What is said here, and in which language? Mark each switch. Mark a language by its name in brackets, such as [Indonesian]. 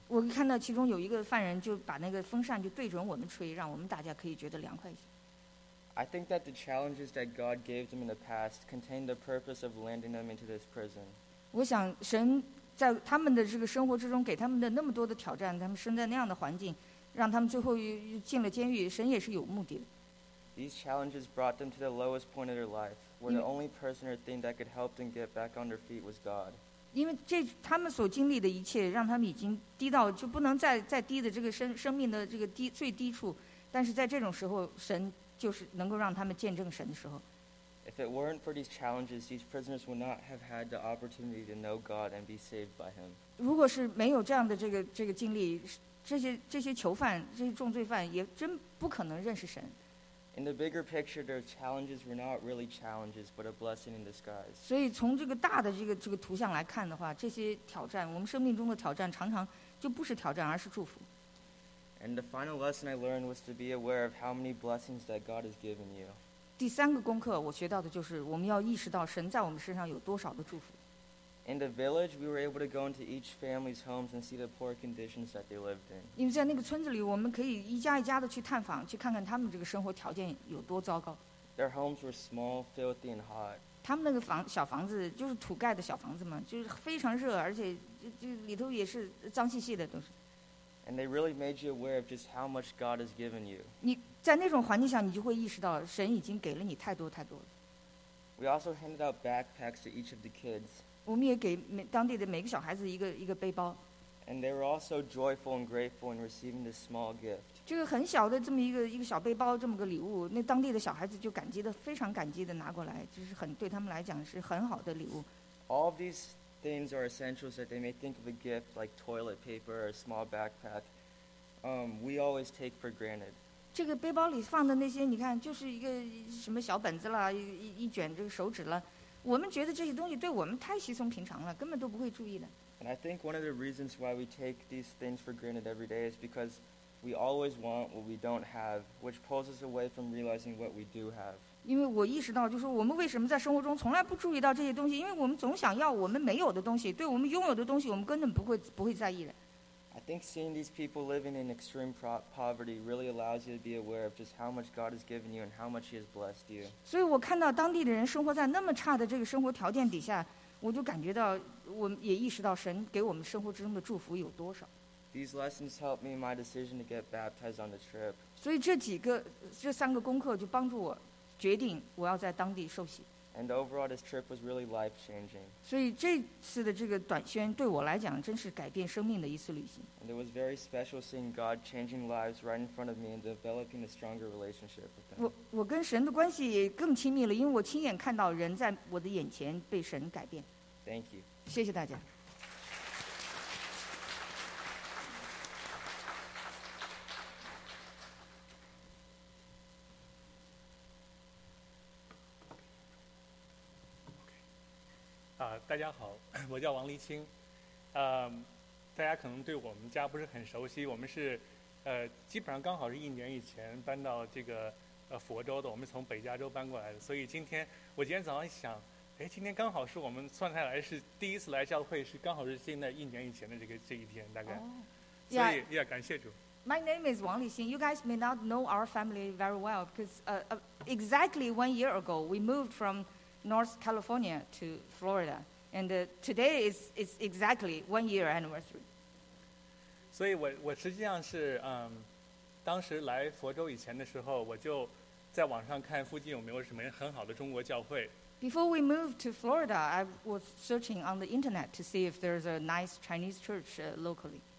[Chinese] 我看到其中有一个犯人就把那个风扇就对准我们吹，让我们大家可以觉得凉快一些。 [English] I think that the challenges that God gave them in the past contained the purpose of landing them into this prison. [Chinese] 我想神在他们的这个生活之中给他们的那么多的挑战，他们生在那样的环境，让他们最后进了监狱，神也是有目的的。 [English] These challenges brought them to the lowest point of their life, where the only person or thing that could help them get back on their feet was God. [Chinese] 因为这他们所经历的一切，让他们已经低到就不能再低的这个生命的这个最低处。但是在这种时候，神就是能够让他们见证神的时候。 [English] If it weren't for these challenges, these prisoners would not have had the opportunity to know God and be saved by Him. [Chinese] 如果是没有这样的这个经历，这些囚犯、这些重罪犯也真不可能认识神。 [English] In the bigger picture, their challenges were not really challenges, but a blessing in disguise. [Chinese] 所以从这个大的这个图像来看的话，这些挑战，我们生命中的挑战，常常就不是挑战，而是祝福。 [English] And the final lesson I learned was to be aware of how many blessings that God has given you. [Chinese] 第三个功课我学到的就是，我们要意识到神在我们身上有多少的祝福。 [English] In the village, we were able to go into each family's homes and see the poor conditions that they lived in. [Chinese] 因为在那个村子里，我们可以一家一家的去探访，去看看他们这个生活条件有多糟糕。 [English] Their homes were small, filthy, and hot. [Chinese] 他们那个小房子就是土盖的小房子嘛，就是非常热，而且就里头也是脏兮兮的都是。 [English] And they really made you aware of just how much God has given you. [Chinese] 你在那种环境下，你就会意识到神已经给了你太多太多了。 [English] We also handed out backpacks to each of the kids. [Chinese] 我们也给当地的每个小孩子一个背包。 [English] And they were also joyful and grateful in receiving this small gift. [Chinese] 这个很小的这么一个小背包，这么个礼物，那当地的小孩子就感激的非常感激的拿过来，就是很对他们来讲是很好的礼物。 [English] All of these things are essentials that they may think of a gift like toilet paper or a small backpack. We always take for granted. [Chinese] 这个背包里放的那些，你看，就是一个什么小本子啦，一卷这个手纸了。我们觉得这些东西对我们太稀松平常了，根本都不会注意的。 [English] And I think one of the reasons why we take these things for granted every day is because we always want what we don't have, which pulls us away from realizing what we do have. [Chinese] 因为我意识到，就是我们为什么在生活中从来不注意到这些东西，因为我们总想要我们没有的东西，对我们拥有的东西，我们根本不会在意的。 [English] I think seeing these people living in extreme poverty really allows you to be aware of just how much God has given you and how much He has blessed you. [Chinese] 所以我看到当地的人生活在那么差的这个生活条件底下，我就感觉到，我也意识到神给我们生活之中的祝福有多少。 [English] These lessons helped me in my decision to get baptized on the trip. [Chinese] 所以这三个功课就帮助我决定我要在当地受洗。 [English] And overall, this trip was really life-changing. [Chinese] 所以这次的这个短宣对我来讲，真是改变生命的一次旅行。 [English] And it was very special seeing God changing lives right in front of me and developing a stronger relationship with Him. [Chinese] 我跟神的关系也更亲密了，因为我亲眼看到人在我的眼前被神改变。 [English] Thank you. [Chinese] 谢谢大家。大家好，我叫王黎青。大家可能对我们家不是很熟悉，我们是基本上刚好是一年以前搬到这个佛州的，我们从北加州搬过来的。所以今天早上想，今天刚好是我们算下来是第一次来教会，是刚好是现在一年以前的这一天大概。 [English] Oh, yeah. [Chinese] 所以也感谢主。 [English] My name is Wang Lixin. You guys may not know our family very well because exactly 1 year ago, we moved from North California to Florida. And today is exactly 1 year anniversary. [Chinese] 所以我实际上是当时来佛州以前的时候，我就在网上看附近有没有什么很好的中国教会。 [English] Before we moved to Florida, I was searching on the internet to see if there's a nice Chinese church locally.